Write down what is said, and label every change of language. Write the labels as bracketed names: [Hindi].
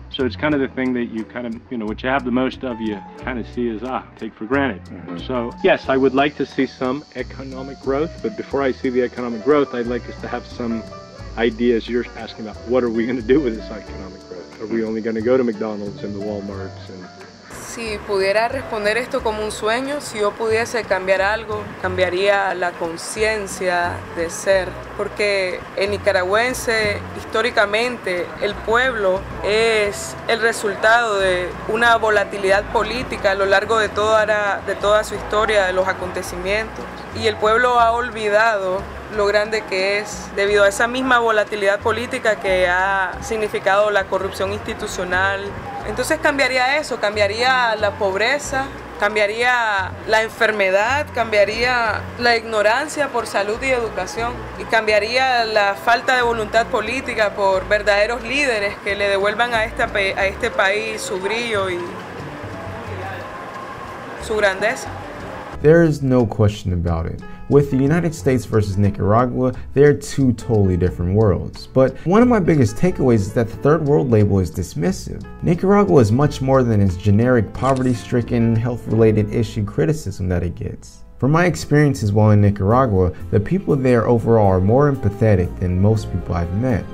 [English] So it's kind of the thing that you kind of, you know, what you have the most of, you kind of see as, take for granted. Mm-hmm. So yes, I would like to see some economic growth, but before I see the economic growth, I'd like us to have some ideas. You're asking about, what are we going to do with this economic growth? Are we only going to go to McDonald's and the Walmarts and... [Spanish] Si pudiera responder esto como un sueño, si yo pudiese cambiar algo, cambiaría la conciencia de ser. Porque el nicaragüense, históricamente, el pueblo es el resultado de una volatilidad política a lo largo de toda su historia, de los acontecimientos. Y el pueblo ha olvidado lo grande que es debido a esa misma volatilidad política que ha significado la corrupción institucional. Entonces cambiaría eso, cambiaría la pobreza, cambiaría la enfermedad, cambiaría la ignorancia por salud y educación y cambiaría la falta de voluntad política por verdaderos líderes que le devuelvan a este país su brillo y su grandeza. [English] There is no question about it. With the United States versus Nicaragua, they're two totally different worlds. But one of my biggest takeaways is that the third world label is dismissive. Nicaragua is much more than its generic poverty-stricken, health-related issue criticism that it gets. From my experiences while in Nicaragua, the people there overall are more empathetic than most people I've met.